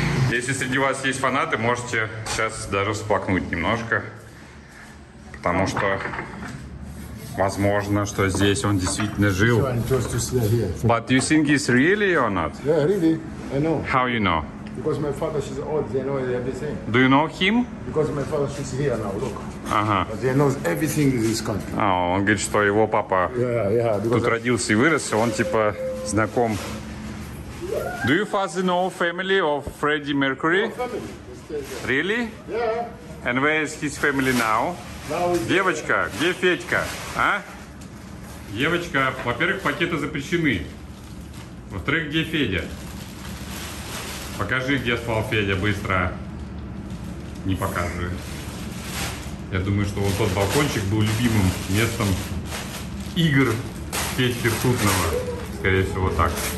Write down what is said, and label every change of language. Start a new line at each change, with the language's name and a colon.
Russian: Если среди вас есть фанаты, можете сейчас даже всплакнуть немножко. Потому что возможно, что здесь он действительно жил.
English: But do you think he's really or not? Yeah, really. I know. How you know? Because my father, she's old, they know everything. Do you know him? Because my father, she's here now, look.
Russian: Ага.
English: But they know everything in this country.
Russian: А, он говорит, что его папа тут родился и вырос, он типа знаком.
English: Do you father know family of Freddie Mercury? No family. Really? Yeah. And where is his family now?
Russian: Девочка, где Федька, а? Девочка, во-первых, пакеты запрещены. Во-вторых, где Федя? Покажи, где спал Федя, быстро. Не покажи. Я думаю, что вот тот балкончик был любимым местом игр Федьки Ртутного. Скорее всего, так.